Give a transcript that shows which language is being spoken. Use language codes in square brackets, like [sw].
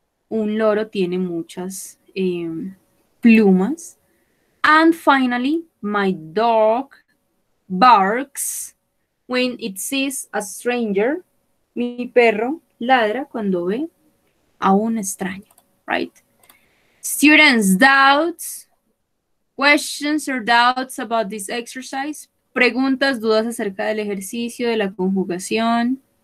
[es] Un loro tiene muchas plumas. [en] And finally, my dog barks when it sees a stranger. [es] Mi perro ladra cuando ve a un extraño, right? [en] Students, doubts, questions or doubts about this exercise? [es] Preguntas, dudas acerca del ejercicio, de la conjugación.